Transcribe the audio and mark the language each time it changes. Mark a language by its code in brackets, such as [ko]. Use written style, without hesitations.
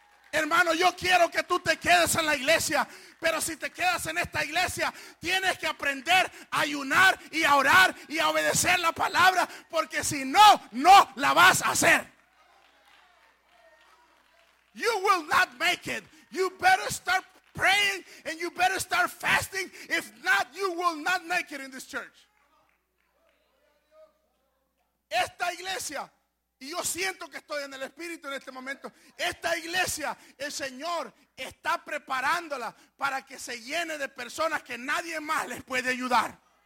[es] Hermano, yo quiero que tú te quedes en la iglesia. Pero si te quedas en esta iglesia, tienes que aprender a ayunar y a orar y a obedecer la palabra. Porque si no, no la vas a hacer. [en] You will not make it. You better start praying and you better start fasting. If not, you will not make it in this church. [es] Esta iglesia, y yo siento que estoy en el Espíritu en este momento, esta iglesia, el Señor está preparándola para que se llene de personas que nadie más les puede ayudar.